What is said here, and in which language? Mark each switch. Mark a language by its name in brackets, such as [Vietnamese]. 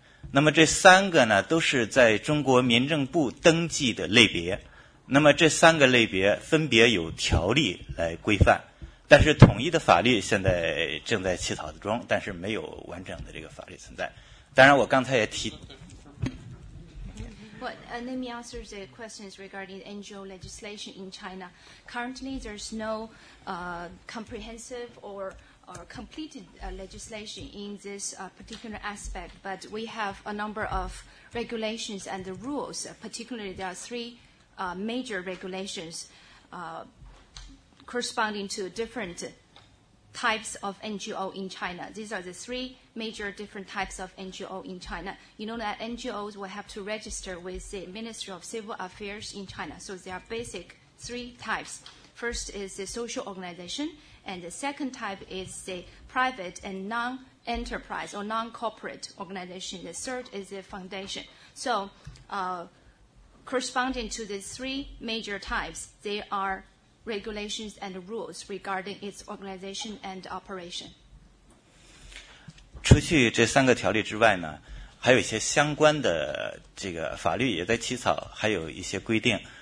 [Chinese] 那么这三个呢都是在中国民政部登记的类别，那么这三个类别分别有条例来规范。但是统一的法律现在正在起草的中，但是没有完整的这个法律存在。当然，我刚才也提。 [English] Let me answer the questions regarding NGO legislation in China. Currently, there's no comprehensive or completed legislation in this particular aspect, but we have a number of regulations and the rules. Particularly, there are three major regulations. Corresponding to different types of NGO in China. These are the three major different types of NGO in China. You know that NGOs will have to register with the Ministry of Civil Affairs in China. So there are basic three types. First is the social organization, And the second type is the private and non-enterprise or non-corporate organization. The third is the foundation. So corresponding to the three major types, they are regulations and rules regarding its organization and operation. [Chinese] 除去这三个条例之外呢, 还有一些相关的这个法律也在起草，还有一些规定。